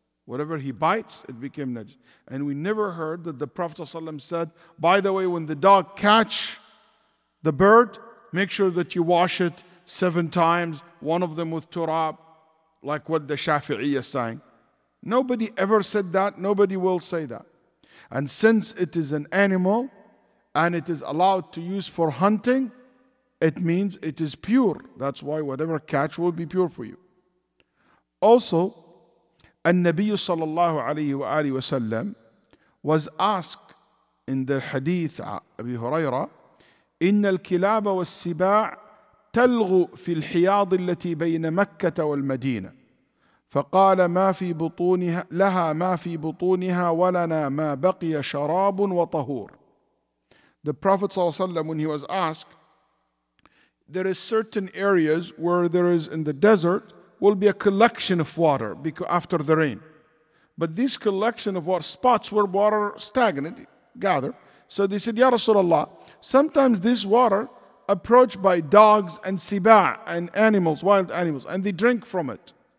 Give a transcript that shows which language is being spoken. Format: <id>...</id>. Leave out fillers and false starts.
<en>Whatever he bites, it became najis. And we never heard that the Prophet ﷺ said, by the way, when the dog catch the bird, make sure that you wash it 7 times, one of them with turab, like what the Shafi'iyya is saying. Nobody ever said that. Nobody will say that. And since it is an animal and it is allowed to use for hunting, it means it is pure. That's why whatever catch will be pure for you.</en> <ar>Also, النبي صلى الله عليه وآله وسلم</ar> <en>was asked in the hadith Abi Huraira,</en> <ar>إن الكلاب والسباع تلغو في الحياض التي بين مكة والمدينة فقال ما في بطونها لها ما في بطونها ولنا ما بقي شراب وطهور.</ar> <en>The Prophet صلى الله عليه وسلم, when he was asked, there is certain areas where there is in the desert will be a collection of water after the rain. But this collection of water, spots where water stagnant, gather. So they said, Ya Rasulullah, sometimes this water approached by dogs and siba' and animals, wild animals, and they drink from it.</en>